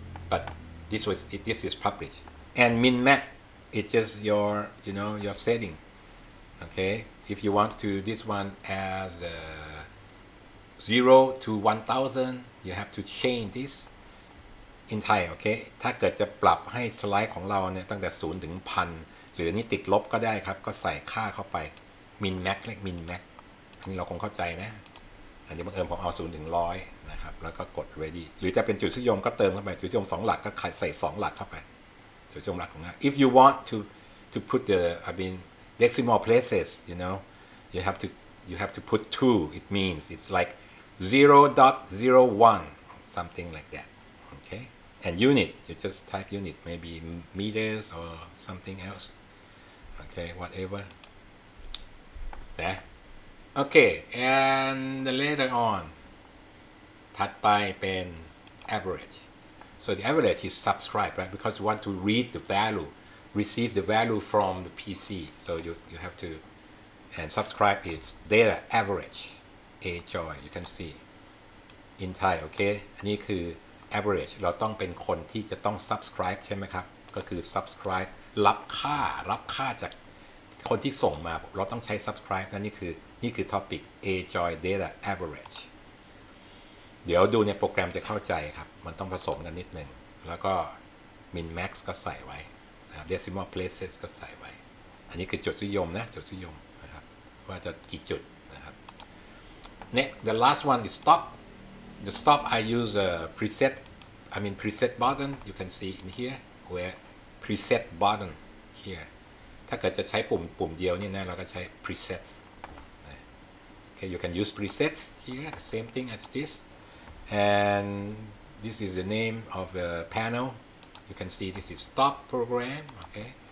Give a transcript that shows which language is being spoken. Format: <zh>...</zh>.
<en>But this is public. And min max, it's just your, you know, your setting. Okay. If you want to this one as a 0 to 1,000, you have to change this in Thai, okay?</en> <th>ถ้าเกิดจะปรับให้สไลด์ของเราเนี่ยตั้งแต่0ถึง 1,000 หรือนี่ติดลบก็ได้ครับก็ใส่ค่าเข้าไป min max และ min max นี่เราคงเข้าใจนะอันนี้บังเอิญผมเอา0ถึง100นะครับแล้วก็กด ready หรือจะเป็นจุดสุดยอดก็เติมเข้าไปจุดสุดยอด2หลักก็ใส่2หลักเข้าไปจุดสุดยอดหลักของเรา</th> <en>if you want to put the decimal places, you know, you have to put 2, it means it's like 0.01, something like that, okay? And unit, you just type unit, maybe meters or something else, okay, whatever. There. Okay, and later on,</en> <th>ถัดไปเป็น</th> <en>average. So the average is subscribe, right? Because you want to read the value, receive the value from the PC. So you have to, and subscribe is data average, AJOY, you can see. In Thai, okay.</en> <th>นี่คือ</th> <en>average.</en> <th>เราต้องเป็นคนที่จะต้อง subscribe ใช่ไหมครับก็คือ subscribe รับค่าจากคนที่ส่งมาเราต้องใช้ subscribe นั่นนี่คือ topic AJOY data average. เดี๋ยวดูในโปรแกรมจะเข้าใจครับมันต้องผสมกันนิดหนึ่งแล้วก็ min max ก็ใส่ไว้นะครับ decimal places ก็ใส่ไว้อันนี้คือจุดสุยมนะจุดสุยมนะครับว่าจะกี่จุดนะครับ</th> <en>next the last one is stopThe stop, I use a preset, I mean preset button, you can see in here, where preset button here.</en> <th>ถ้าเกิดจะใช้ปุ่มเดียวนี่นะเราก็ใช้ preset.</th> <en>Okay, you can use preset here, the same thing as this. And this is the name of the panel. You can see this is stop program, okay.</en>